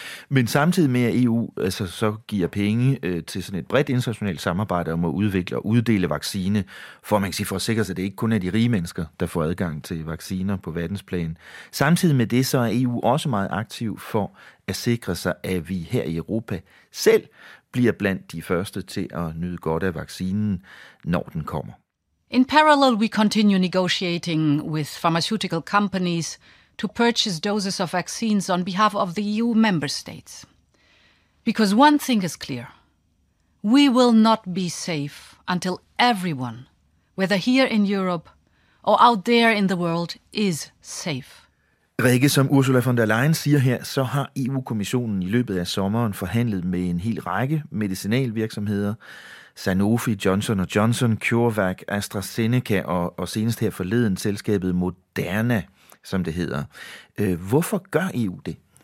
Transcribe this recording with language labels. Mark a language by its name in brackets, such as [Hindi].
[Danish] Men samtidig med, at EU så giver penge til sådan et bredt internationalt samarbejde om at udvikle og uddele vaccine, for man kan sige, for at sikre sig, at det ikke kun er de rige mennesker, der får adgang til vacciner på verdensplan. Samtidig med det, så er EU også meget aktiv for at sikre sig, at vi her i Europa selv bliver blandt de første til at nyde godt af vaccinen, når den kommer. [English] In parallel, we continue negotiating with pharmaceutical companies to purchase doses of vaccines on behalf of the EU member states. Because one thing is clear, we will not be safe until everyone, whether here in Europe or out there in the world, is safe. [Danish] Rikke, som Ursula von der Leyen siger her, så har EU-kommissionen i løbet af sommeren forhandlet med en hel række medicinalvirksomheder, Sanofi, Johnson & Johnson, CureVac, AstraZeneca og senest her forleden selskabet Moderna, som det hedder. Hvorfor gør EU det?